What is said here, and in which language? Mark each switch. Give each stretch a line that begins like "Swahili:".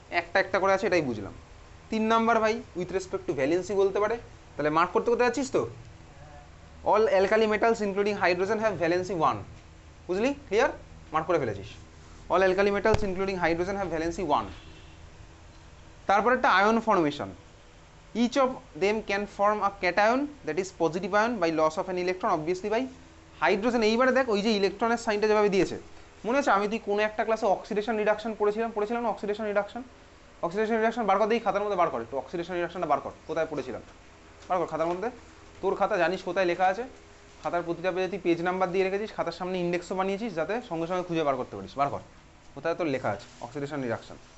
Bangla: একটা একটা করে আছে এটাই বুঝলাম। 3 নম্বর ভাই,
English: with respect to valency
Bangla: বলতে পারে, তাহলে মার্ক করতে করতে যাচ্ছিস তো,
English: all alkali metals including hydrogen have valency one,
Bangla: বুঝলি? ক্লিয়ার? মার্ক করে ফেলেছিস,
English: All alkali metals including hydrogen have valency one.
Bangla: তারপর একটা ion formation,
English: Each of them can form a cation, that is positive ion, by loss of an electron, obviously by hydrogen.
Bangla: এইবারে দেখ ওই যে ইলেকট্রনের সাইনটা যেভাবে দিয়েছে, মনে আছে আমি তুই কোনো একটা ক্লাসে অক্সিডেশন রিডাকশন পড়েছিলাম, পড়েছিলাম না অক্সিডেশন রিডাকশন? অক্সিডেশন রিডাকশন বার কর, দেখি খাতার মধ্যে বার কর একটু, অক্সিডেশন রিডাকশনটা বার কর, কোথায় পড়েছিলাম বার কর খাতার মধ্যে, তোর খাতা জানিস কোথায় লেখা আছে, খাতার প্রতিটা পেজে তুই পেজ নাম্বার দিয়ে রেখেছিস, খাতার সামনে ইন্ডেক্সও বানিয়েছিস যাতে সঙ্গে সঙ্গে খুঁজে বার করতে পারিস, বার কর কোথায় তোর লেখা আছে অক্সিডেশন রিডাকশন।